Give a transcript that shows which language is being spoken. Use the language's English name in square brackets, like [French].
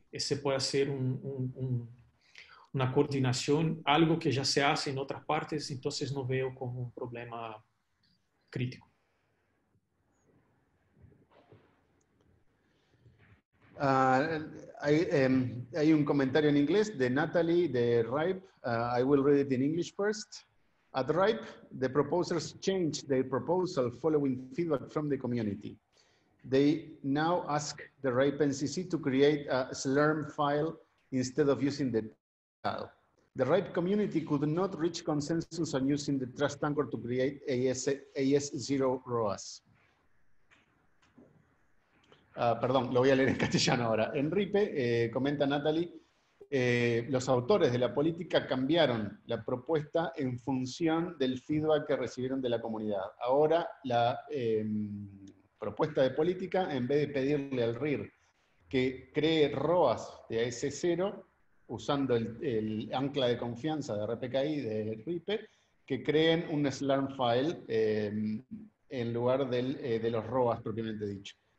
[Spanish] Se puede hacer una coordinación, algo que ya se hace en otras partes, entonces no veo como un problema crítico. Hay un comentario en inglés de Natalie de RIPE. [English] I will read it in English first. At RIPE, the proposers changed their proposal following feedback from the community. They now ask the RIPE NCC to create a slurm file instead of using the file. The RIPE community could not reach consensus on using the trust anchor to create AS0 ROAS. [Spanish] Perdón, lo voy a leer en castellano ahora. En RIPE, comenta Natalie, los autores de la política cambiaron la propuesta en función del feedback que recibieron de la comunidad. Ahora, la propuesta de política, en vez de pedirle al RIR que cree ROAS de AS0, usando el ancla de confianza de RPKI de RIPE, que creen un slurm file en lugar de los ROAS propiamente dicho.